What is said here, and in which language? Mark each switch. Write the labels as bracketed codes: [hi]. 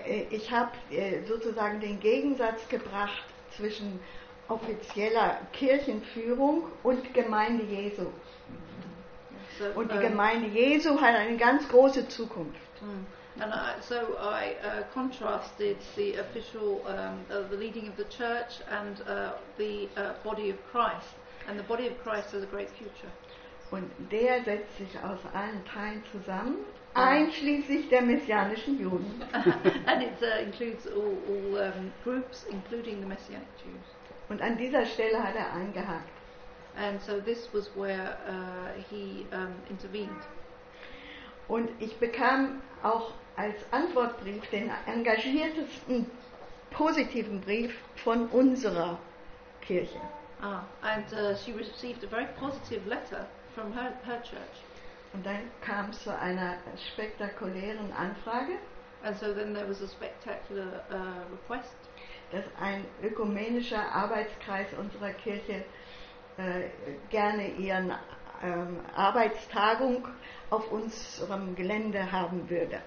[de] Ich habe sozusagen den Gegensatz gebracht zwischen offizieller Kirchenführung und Gemeinde Jesu. Und die Gemeinde Jesu hat eine ganz große Zukunft. [en] And I contrasted the official the leading of the church and body of Christ, and the body of Christ has a great future. [de] Und der setzt sich aus allen Teilen zusammen, einschließlich der messianischen Juden. [en] And it includes all groups, including the messianic Jews. [de] Und an dieser Stelle hat er eingehakt. [en] And so this was where he intervened. [de] Und ich bekam auch als Antwortbrief den engagiertesten, positiven Brief von unserer Kirche. [en] She received a very positive letter from her church. [de] Und dann kam es zu einer spektakulären Anfrage. [en] And so then there was a spectacular request. [de] Dass ein ökumenischer Arbeitskreis unserer Kirche gerne ihren Arbeitstagung auf unserem Gelände haben würde.